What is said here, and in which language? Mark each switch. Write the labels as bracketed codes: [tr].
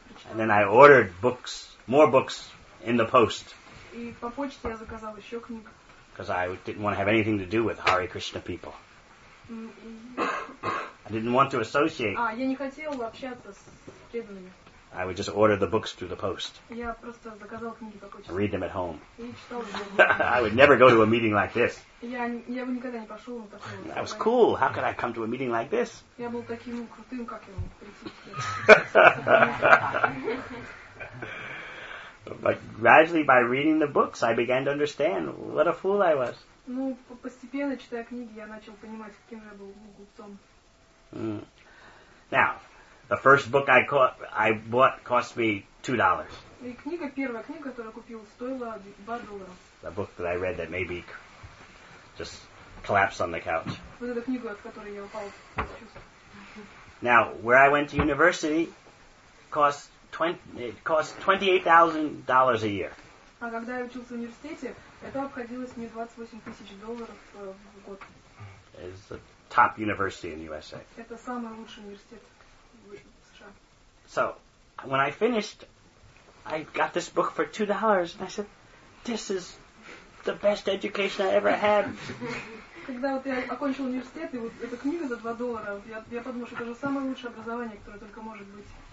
[en] And then I ordered books, more books, in the post. Because I didn't want to have anything to do with Hare Krishna people. I didn't want to associate. [ru] Я не хотел общаться с преданными. [en] I would just order the books through the post. [ru] Я просто заказал книги по почте. [en] Read them at home. [ru] И читал их. [en] I would never go to a meeting like this. [ru] Я бы никогда не пошел на такое. [en] That was cool. How could I come to a meeting like this? [ru] Я был таким крутым, как я мог прийти. [en] But gradually, by reading the books, I began to understand what a fool I was. [ru] Ну, постепенно читая книги, я начал понимать, каким же я был глупцом. [en] Now, the first book I bought cost me $2. [ru] И книга, первая книга, которую я купил, стоила $2. [en] The book that I read that maybe just collapse on the couch. [ru] Вот эта книга, от которой я упал, [en] Now, where I went to university cost $28,000 a year. [ru] А когда я учился в университете, это обходилось мне $28,000 в год. [en] It's the top university in USA. [ru] Это самый лучший университет в США. [en] So, when I finished, I got this book for $2, and I said, this is the best education I ever had. [ru] Когда вот я окончил университет, и вот эта книга за $2, я подумал, что это же самое лучшее образование, которое только может быть.